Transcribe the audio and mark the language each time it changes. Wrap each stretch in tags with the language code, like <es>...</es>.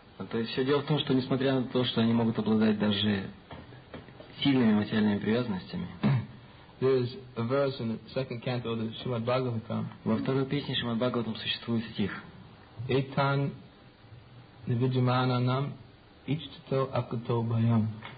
<ru>То есть все дело в том, что несмотря на то, что они могут обладать даже сильными материальными привязанностями,</ru> <en>there is a verse in the second canto of the Shrimad Bhagavatam.</en> <ru>Во второй песне Шримад Бхагаватам существует стих.</ru> <sa>Этан невиджиманам ичтито акуто байам.</sa>